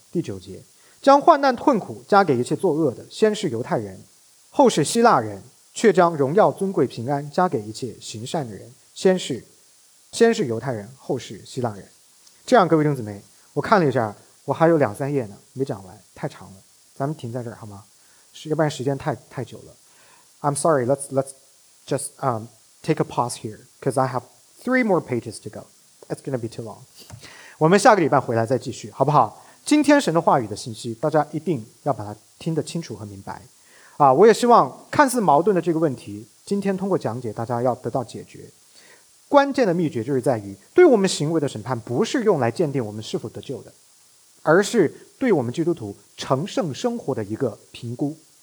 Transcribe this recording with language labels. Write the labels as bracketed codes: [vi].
[zh] 第九节，将患难困苦加给一切作恶的，先是犹太人，后是希腊人，却将荣耀尊贵平安加给一切行善的人，先是犹太人，后是希腊人。这样，各位弟兄姊妹，我看了一下，我还有两三页呢，没讲完，太长了，咱们停在这儿好吗？要不然时间太久了。 [en] I'm sorry, let's just take a pause here because I have three more pages to go. It's going to be too long. [zh] 我们下个礼拜回来再继续，好不好？今天神的话语的信息，大家一定要把它听得清楚和明白。我也希望看似矛盾的这个问题，今天通过讲解大家要得到解决。关键的秘诀就是在于，对我们行为的审判不是用来鉴定我们是否得救的，而是对我们基督徒成圣生活的一个评估。